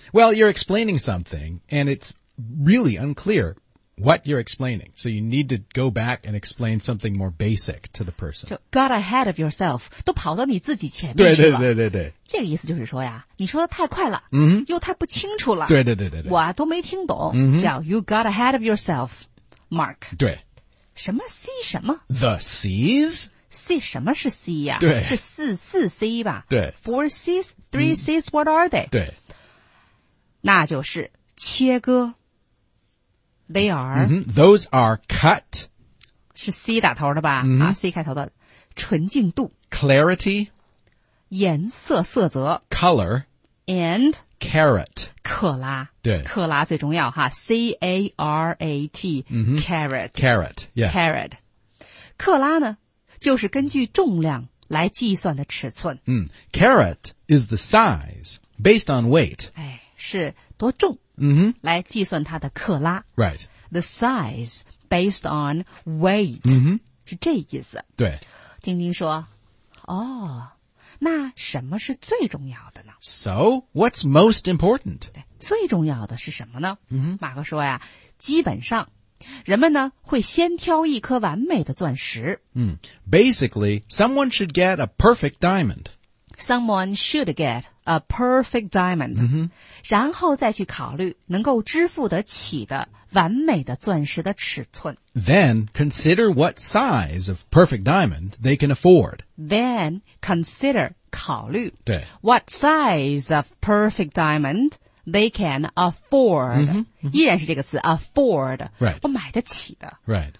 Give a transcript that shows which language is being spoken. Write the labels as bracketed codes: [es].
[en] Well, you're explaining something, and it's really unclear. What you're explaining. So you need to go back and explain something more basic to the person. [zh] 就 [en] got ahead of yourself, [zh] 都跑到你自己前面去了。对对对对对。这个意思就是说呀你说的太快了、 mm-hmm. 又太不清楚了。对对对对对。我都没听懂、 mm-hmm. [en] 叫 you got ahead of yourself, Mark. [zh] 对。什么 C 什么 [en] ?The C's? [zh] C 什么是 C 呀、对。是四 C 吧。对。 [en] Four C's, three C's,、what are they? [zh] 对。那就是切割。 [en] They are.、 Mm-hmm. Those are cut. [zh] 是 C 打头的吧、 mm-hmm. 啊 ,C 开头的。纯净度。 [en] Clarity. [zh] 颜色色泽。 [en] Color. And. Carat. [zh] 克拉。对。克拉最重要哈 ,C-A-R-A-T,、 mm-hmm. [en] carat. Carat, yeah. Carat. [zh] 克拉呢就是根据重量来计算的尺寸。 [en] 嗯、Carat is the size based on weight. [zh] 哎是多重。嗯哼，来计算它的克拉。 [en] Right. The size based on weight. 嗯哼， [zh] 是这意思。对。晶晶说，哦，那什么是最重要的呢 [en] ？So what's most important? [zh] 对，最重要的是什么呢？嗯哼，马哥说呀，基本上，人们呢会先挑一颗完美的钻石。 [en] 嗯 ，Basically, someone should get a perfect diamond. Someone should get a perfect diamond,、 mm-hmm. [zh] 然后再去考虑能够支付得起的完美的钻石的尺寸。 [en] Then consider what size of perfect diamond they can afford. Then consider [zh] 考虑对 [en] what size of perfect diamond they can afford.、 Mm-hmm. Mm-hmm. [zh] 依然是这个词 afford. [en] Right. [zh] 我买得起的 [en] Right.